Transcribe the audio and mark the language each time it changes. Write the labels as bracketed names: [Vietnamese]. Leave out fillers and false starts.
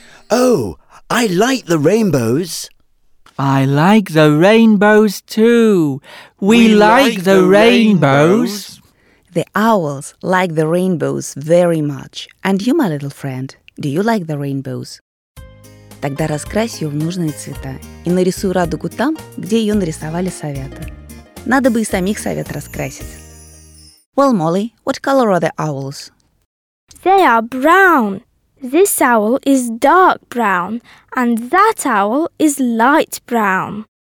[English] Oh, I like the rainbows. I like the rainbows too. We like the rainbows. The owls like the rainbows very much. And you, my little friend, do you like the rainbows? [Russian] Тогда раскрась ее в нужные цвета и нарисуй радугу там, где ее нарисовали совята. Надо бы и самих совят раскрасить. [English] Well, Molly, what color are the owls? They are brown. This owl is dark brown, and that owl is light brown.